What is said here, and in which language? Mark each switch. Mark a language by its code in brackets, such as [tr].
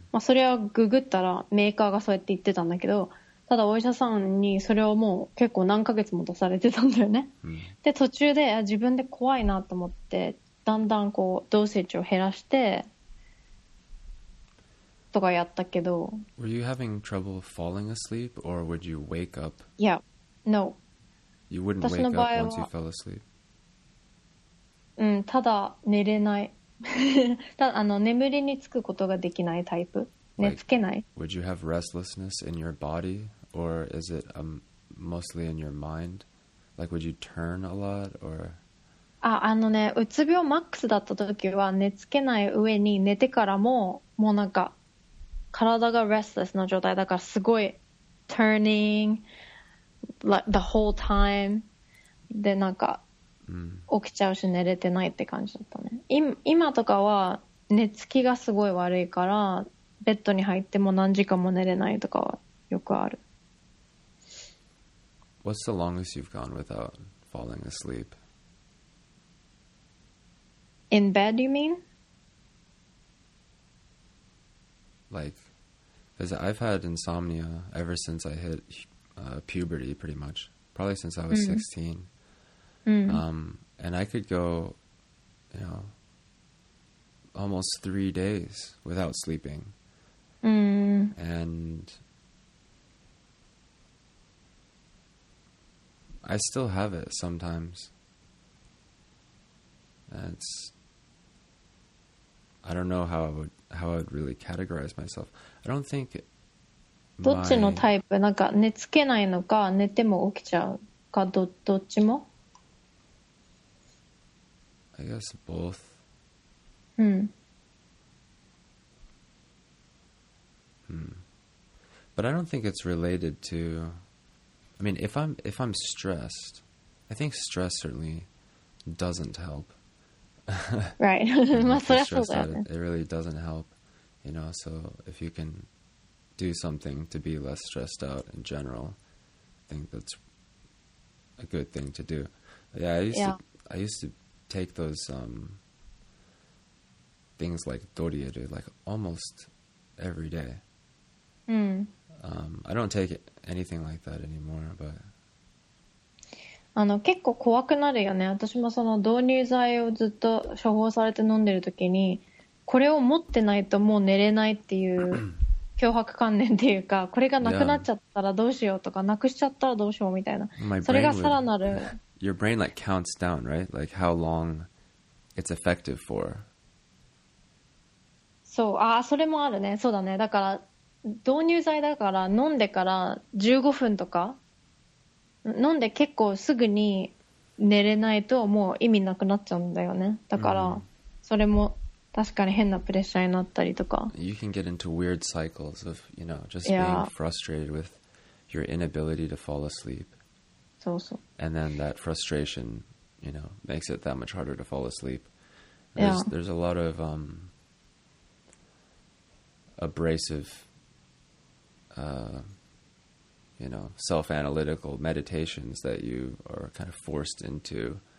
[ja] まあ、それはググったらメーカーがそうやって言ってたんだけど、ただお医者さんにそれをもう結構何ヶ月も出されてたんだよね、うん、で途中で自分で怖いなと思ってだんだんこうドーセージを減らしてとかやったけど。 [en] Were you having trouble falling asleep or would you wake up? Yeah, no. You wouldn't wake up once you fell asleep. [ja] うん、ただ寝れない。ただ眠りにつくことができないタイプ。寝つけない。 [en] Like, would you have restlessness in your body or is it mostly in your mind? Like would you turn a lot or? [ja] ね、うつ病マックスだった時は寝つけない上に寝てからももうなんか体が restless の状態だからすごい [en] turning like the whole time [ja] でなんか起きちゃうし寝れてないって感じだったね。今とかは寝つきがすごい悪いからベッドに入っても何時間も寝れないとかはよくある。 [en] What's the longest you've gone without falling asleep? In bed you mean? Like, because I've had insomnia ever since I hit puberty pretty much, probably since I was 16. And I could go, you know, almost 3 days without sleeping. And I still have it sometimes. That's, I don't know how I would really categorize myself. I don't think [ja] my... どっちのタイプ？なんか寝つけないのか、寝ても起きちゃうか、どっちも？ [en] I guess both. But I don't think it's related to... I mean, if I'm stressed, I think stress certainly doesn't help. Right. It really doesn't help. You know, so if you can do something to be less stressed out in general, I think that's a good thing to do. Yeah, I used to take those things like Dorieru, like almost every day. I don't take anything like that anymore, but... [ja] 結構怖くなるよね。私もその導入剤をずっと処方されて飲んでる時に、これを持ってないともう寝れないっていう脅迫観念っていうか、これがなくなっちゃったらどうしようとか、なくしちゃったらどうしようみたいな。それがさらなる。 [en] Your brain like counts down, right? Like how long it's effective for. [ja] そう、ああ、それもあるね。そうだね。だから導入剤だから飲んでから15分とか飲んで結構すぐに寝れないともう意味なくなっちゃうんだよね。だからそれも確かに変なプレッシャーになったりとか。 [en] You can get into weird cycles of, you know, just being frustrated with your inability to fall asleep. And then that frustration, you know, makes it that much harder to fall asleep. There's a lot of abrasive, you know, self-analytical meditations that you are kind of forced into.